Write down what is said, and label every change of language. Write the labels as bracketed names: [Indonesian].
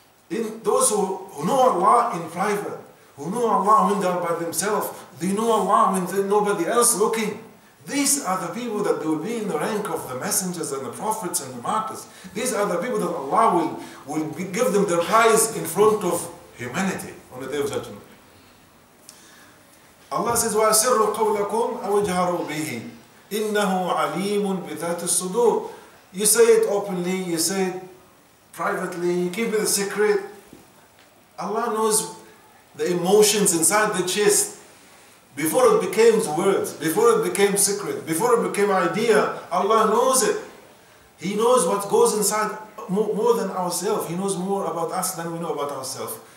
[English] In those who know Allah in private, who know Allah when they are by themselves, they know Allah when there's nobody else looking. These are the people that they will be in the rank of the messengers and the prophets and the martyrs. These are the people that Allah will give them their prize in front of humanity on the Day of Judgment. Allah says, [Arabic] وَأَسِرُّ قَوْلَكُمْ أَوَجْهَرُوا بِهِ إِنَّهُ عَلِيمٌ بِذَاتِ الصُّدُورِ. [English] You say it openly, you say it privately, you keep it a secret. Allah knows the emotions inside the chest. Before it became words, before it became secret, before it became idea, Allah knows it. He knows what goes inside more than ourselves. He knows more about us than we know about ourselves.